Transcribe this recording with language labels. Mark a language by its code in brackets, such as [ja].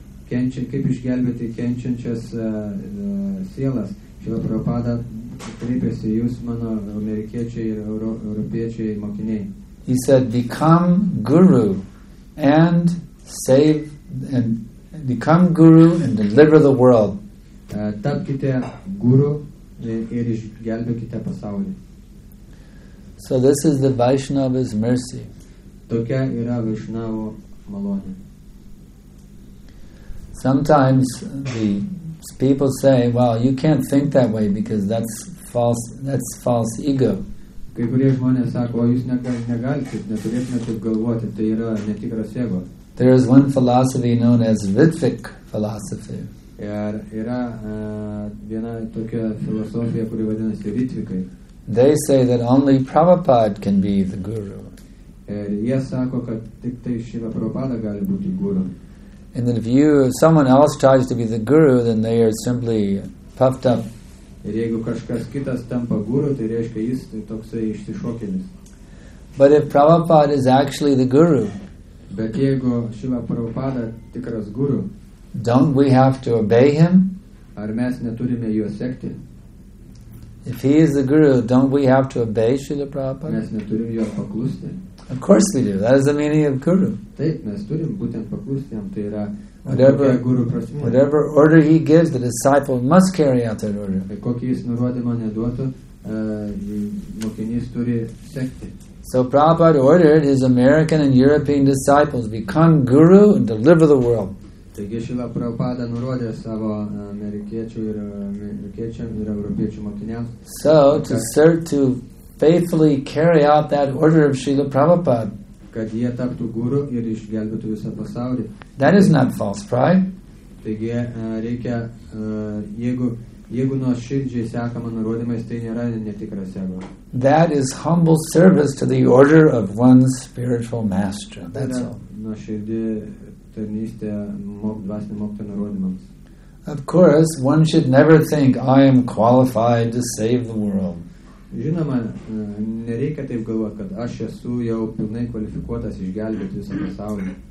[lt] kaip išgelbėti kenčiančias sielas. Šilo Prabhupada kreipėsi jūs, mano amerikiečiai ir europiečiai mokiniai. [en] He said, become guru and save and become guru and deliver the world. [lt] Tapkite guru ir išgelbėkite pasaulį. [en] So this is the Vaishnava's mercy. [lt] Tokia yra Vaishnavo malonė. [en] Sometimes the people say, well, you can't think that way because that's false ego. [lt] Kai kurie žmonės sako, o jūs negalite, neturėtume taip galvoti, tai yra netikras ego. [en] There is one philosophy known as Ritvik philosophy. [lt] Yra viena tokia filosofija, kuri vadinasi Ritvikai. [en] They say that only Prabhupada can be the guru. [lt] Jie sako, kad tik tai Šila Prabhupada gali būti guru. [en] And then if someone else tries to be the guru, then they are simply puffed up. [lt] Ir jeigu kažkas kitas tampa guru, tai reiškia jis toksai išsišokėlis. [en] But if Prabhupada is actually the guru, [lt] bet jeigu Šila Prabhupada tikras guru, [en] don't we have to obey him? [lt] Ar mes neturime juo sekti? [en] If he is the guru, don't we have to obey Šila Prabhupada? [lt] Mes neturime juo paklusti. [en] Of course we do. That is the meaning of guru. [lt] Taip, mes turim būtent paklusti jam. Tai yra guru prasmė. [en] Whatever order he gives, the disciple must carry out that order. [lt] Kokį jis nurodymą neduotų, mokinys turi sekti. [en] So Prabhupada ordered his American and European disciples become guru and deliver the world. [lt] Taigi Šila Prabhupada nurodė savo amerikiečiams ir europiečių mokiniams. [en] So to start to faithfully carry out that order of Srila Prabhupada, [lt] kad jie taptų guru ir išgelbėtų visą pasaulį. [en] That is not false pride. [lt] Taigi reikia, jeigu nuo širdžiai sekama nurodymais, tai nėra netikras ego. [en] That is humble service to the order of one spiritual master. That's all. [lt] Nuo širdį tarnystė dvasinio mokytojo nurodymams. [en] Of course, one should never think, I am qualified to save the world. [lt] Žinoma, nereikia taip galvoti, kad aš esu jau pilnai kvalifikuotas išgelbėti visą pasaulį.